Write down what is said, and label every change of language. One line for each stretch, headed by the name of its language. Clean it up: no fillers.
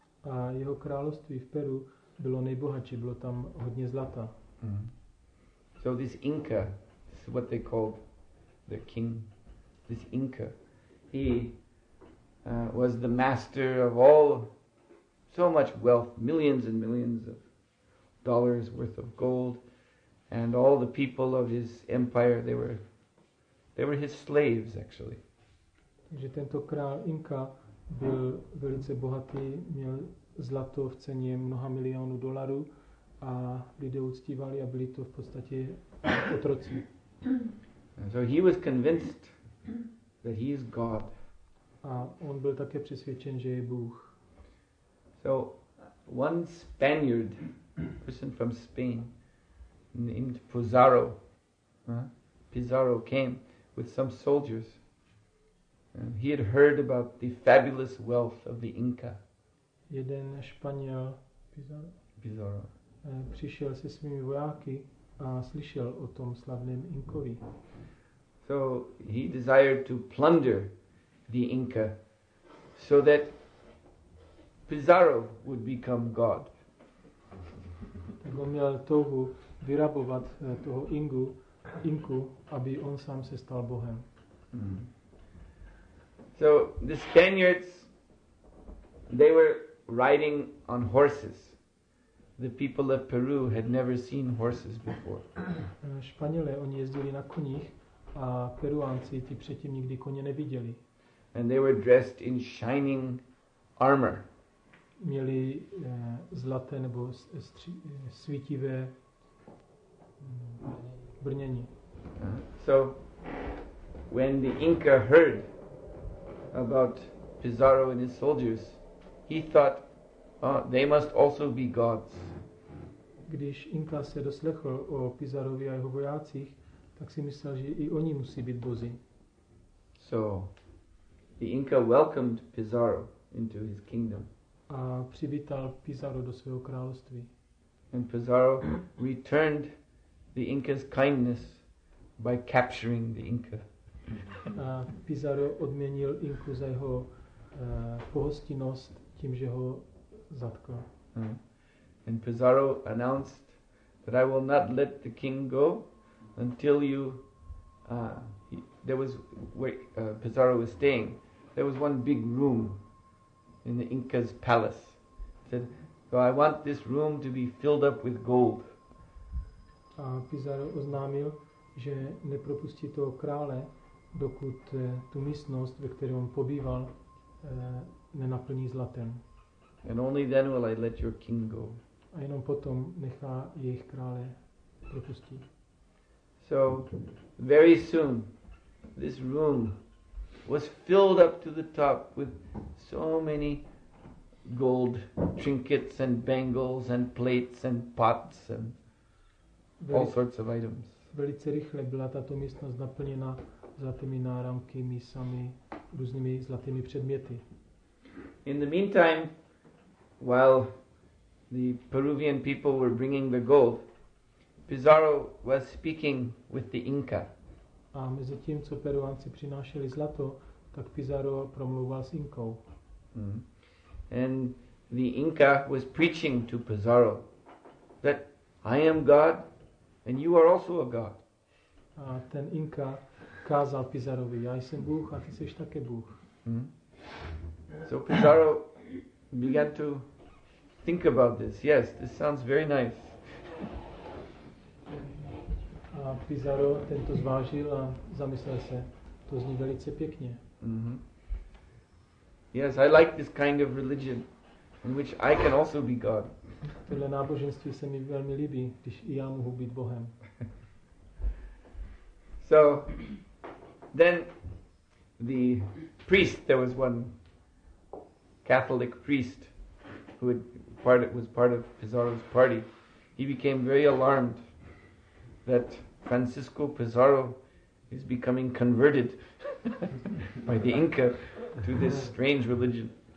Czech: A jeho království v Peru bylo nejbohatší, bylo tam hodně zlata.
English: So this Inca, this is what they called the king, this Inca, he was the master of all, so much wealth, millions and millions of dollars worth of gold, and all the people of his empire, they were his slaves actually.
Czech: Takže tento král Inka byl velice bohatý, měl zlato v ceně mnoha milionů dolarů a lidé uctívali a byli to v podstatě otroci.
English: So he was convinced that he is God.
Czech: A on byl také přesvědčen, že je Bůh.
English: So one Spaniard, person from Spain, named Pizarro came with some soldiers. And he had heard about the fabulous wealth of the Inca.
Czech: Jeden Španěl, Pizarro, přišel se svými vojáky a slyšel o tom slavném Inkovi.
English: So he desired to plunder the Inca so that Pizarro would become God.
Czech: Tak on měl touhu vyrabovat toho Inku, aby on sám se stal Bohem.
English: So the Spaniards, they were riding on horses. The people of Peru had never seen horses before.
Czech: Španělé, oni jezdili na koních a Peruánci ti předtím nikdy koně neviděli.
English: And they were dressed in shining armor.
Czech: Měli zlaté nebo svítivé brnění.
English: So when the Inca heard about Pizarro and his soldiers, he thought, they must also be gods.
Czech: Když Inka se doslechl o Pizarovi a jeho vojácích, tak si myslel, že i oni musí být bozi.
English: So the Inca welcomed Pizarro into his kingdom.
Czech: A přivítal Pizarro do svého království.
English: And Pizarro returned the Inca's kindness by capturing the Inca.
Czech: A Pizarro odměnil Inku za jeho pohostinnost tím, že ho zatkl.
English: And Pizarro announced that I will not let the king go until you Pizarro was staying. There was one big room in the Inca's palace. He said, so I want this room to be filled up with gold.
Czech: A Pizarro oznámil, že nepropustí toho krále, dokud tu místnost, ve které on pobýval, nenaplní zlatem.
English: And only then will I let your king go.
Czech: A jenom potom nechá jejich krále propustit.
English: So very soon this room was filled up to the top with so many gold trinkets and bangles and plates and pots and all sorts of items.
Czech: Velice rychle byla tato místnost naplněna zlatými náramky, mísami, různými zlatými předměty.
English: In the meantime, while the Peruvian people were bringing the gold, Pizarro was speaking with the Inca.
Czech: A mezi tím, co Peruánci přinášeli zlato, tak Pizarro promluval s Inkou.
English: And the Inca was preaching to Pizarro that I am God and you are also a God.
Czech: A ten Inka kázal Pizarovi, já jsem Bůh a ty jsi také Bůh.
English: So Pizarro began to think about this. Yes, this sounds very nice.
Czech: A Pizarro tento zvážil a zamyslel se, to zní velice pěkně.
English: Yes, I like this kind of religion in which I can also be God.
Czech: Tohle náboženství se mi velmi líbí, když i já mohu být Bohem.
English: So then the priest, there was one Catholic priest who had was part of Pizarro's party. He became very alarmed that Francisco Pizarro is becoming converted by the Inca to this strange religion.